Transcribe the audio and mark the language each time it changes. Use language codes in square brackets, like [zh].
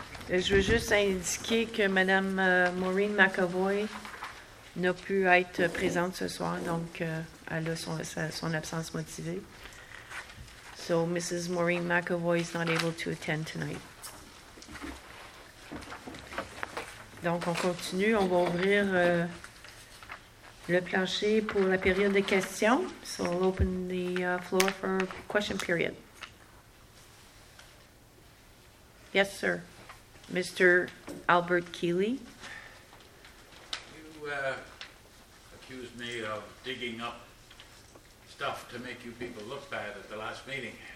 [fr] Et je veux juste indiquer que Mme Maureen McAvoy n'a pu être présente ce soir, donc elle a son absence motivée. [en] So, Mrs. Maureen McAvoy is not able to attend tonight. [fr] Donc, on continue. On va ouvrir le plancher pour la période de questions. [en] So, we'll open the floor for question period. Yes, sir. Mr. Albert Keeley. You accused me of digging up stuff to make you people look bad at the last meeting.